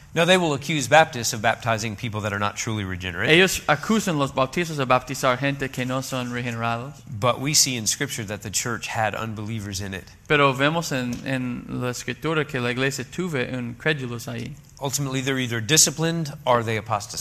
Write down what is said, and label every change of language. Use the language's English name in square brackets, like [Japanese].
[English] Now they will accuse Baptists of baptizing people that are not truly regenerate. [Spanish] Ellos acusan los bautistas de bautizar gente que no son regenerados. [English] But we see in Scripture that the church had unbelievers in it. [Spanish] Pero vemos en la escritura que la iglesia tuvo incrédulos ahí. [English] Ultimately, they're either disciplined or they apostatize.